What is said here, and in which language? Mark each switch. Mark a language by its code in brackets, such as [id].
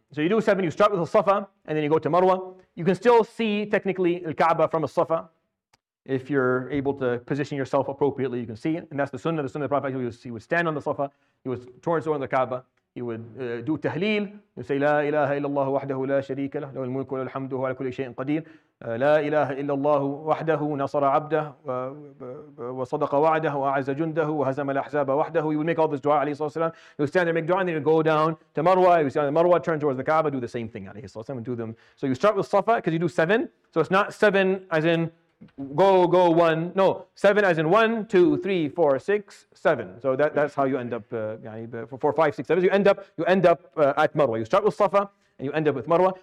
[en] So you do seven, you start with al-Safa, and then you go to Marwa. You can still see, technically, al-Kaaba from al-Safa. If you're able to position yourself appropriately, you can see it. And that's the sunnah of the Prophet. He would stand on the Safa, he would turn towards the Kaaba, he would do tahleel, you say, [ar] La ilaha illallahu wahdahu la sharika lah, lahul mulku wal hamdu ala kulli shay'in qadeer. لا إله إلا الله وحده نصر عبده وصدق وعده وأعز جنده وهزم الأحزاب وحده. [en] He would make all this dua عليه الصلاة والسلام. He would stand there, make dua, and then he would go down to Marwa. He would stand on the Marwa, turn towards the Kaaba, do the same thing عليه الصلاة والسلام, and do them. So you start with Safa, because you do seven. So it's not seven as in go one. No, seven as in 1, 2, 3, 4, 6, 7. So that's how you end up, 4, 5, 6, 7. You end up at Marwa. You start with Safa, and you end up with Marwa.